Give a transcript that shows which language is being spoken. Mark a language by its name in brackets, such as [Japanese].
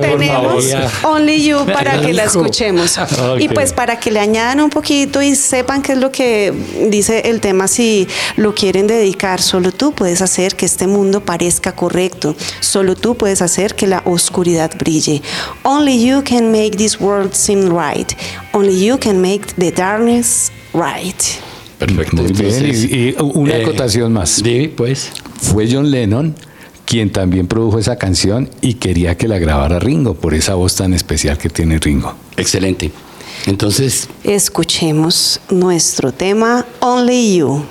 [Spanish] tenemos Only You para que la escuchemos. Okay. Y pues para que le añadan un poquito y sepan qué es lo que dice el tema, si lo quieren dedicar, solo tú puedes hacer que este mundo parezca correcto, solo tú puedes hacer que la oscuridad brille. [English] Only you can make this world seem right, only you can make the darkness right. [Spanish] Perfecto. Muy bien. Y una acotación más. Dime, pues. Fue John Lennon quien también produjo esa canción y quería que la grabara Ringo, por esa voz tan especial que tiene Ringo. Excelente. Entonces, escuchemos nuestro tema Only You.